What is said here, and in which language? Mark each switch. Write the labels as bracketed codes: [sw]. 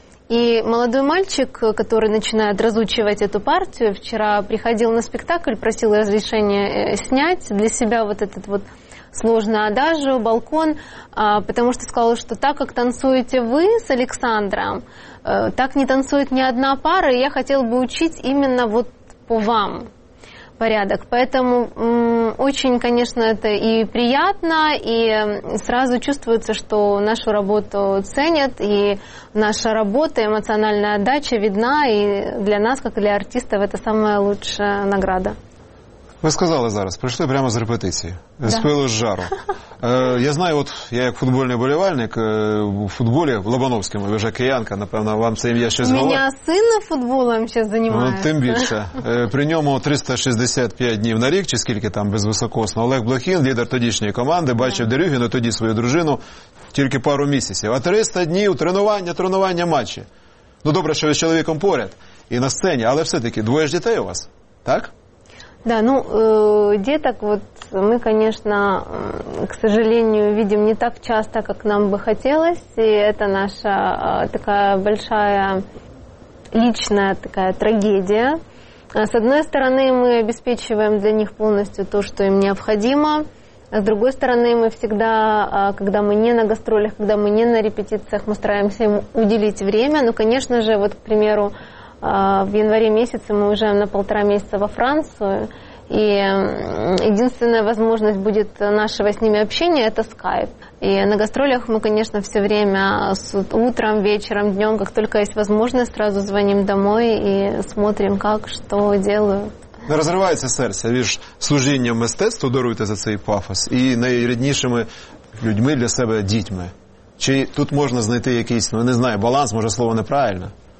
[ru] И молодой мальчик, который начинает разучивать эту партию, вчера приходил на спектакль, просил разрешения снять для себя вот этот вот сложный адажио, балкон, потому что сказал, что так как танцуете вы с Александром, так не танцует ни одна пара, и я хотел бы учить именно вот по вам порядок. Поэтому очень, конечно, это и приятно, и сразу чувствуется, что нашу работу ценят, и наша работа, эмоциональная отдача видна, и для нас, как для артистов, это самая лучшая награда. [uk] Ви сказали зараз, прийшли прямо з репетиції, да. З пилу, з жару. Я знаю, от я як футбольний болівальник, в футболі, в Лобановському, ви вже киянка, напевно, вам це ім'я щось говорить. У мене син футболом зараз займається. Ну, тим більше. При ньому 365 днів на рік, чи скільки там, безвисококосно. Олег Блохін, лідер тодішньої команди, бачив Дерюгіну, тоді свою дружину, тільки пару місяців. А 300 днів тренування, матчі. Ну, добре, що ви з чоловіком поряд і на сцені, але все-таки двоє ж дітей у вас, так? [ru] Да, ну, деток вот мы, конечно, к сожалению, видим не так часто, как нам бы хотелось, и это наша такая большая личная такая трагедия. С одной стороны, мы обеспечиваем для них полностью то, что им необходимо, а с другой стороны, мы всегда, когда мы не на гастролях, когда мы не на репетициях, мы стараемся им уделить время, ну, конечно же, вот, к примеру, в январе месяце мы уезжаем на полтора месяца во Францию, и единственная возможность будет нашего с ними общения – это скайп. И на гастролях мы, конечно, все время с утром, вечером, днем, как только есть возможность, сразу звоним домой и смотрим, как, что делают. [uk] Не розривається серце між служінням мистецтву, даруйте за цей пафос, і найріднішими людьми для себе – дітьми. Чи тут можна знайти якийсь, ну, не знаю, баланс, може слово неправильно?